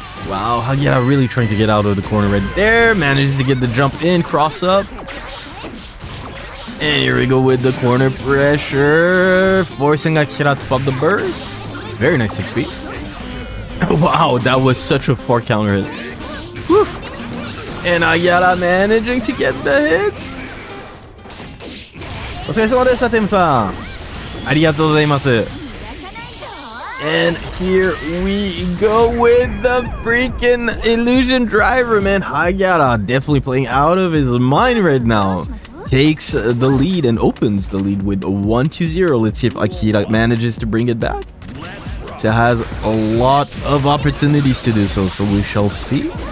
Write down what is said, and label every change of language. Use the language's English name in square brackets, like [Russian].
[English] Wow, Hagyaara really trying to get out of the corner right there. Manages to get the jump in, cross up. And here we go with the corner pressure, forcing Akihira to pop the burst. Very nice 6P. Wow, that was such a far counter hit. Woof. And Hagyaara managing to get the hits. [Japanese] お疲れ様です、サテムさん。ありがとうございます。 [English] And here we go with the freaking illusion driver, man. Hagyaara definitely playing out of his mind right now. Takes the lead and opens the lead with 1-2-0. Let's see if Akihira manages to bring it back. So has a lot of opportunities to do so, so we shall see.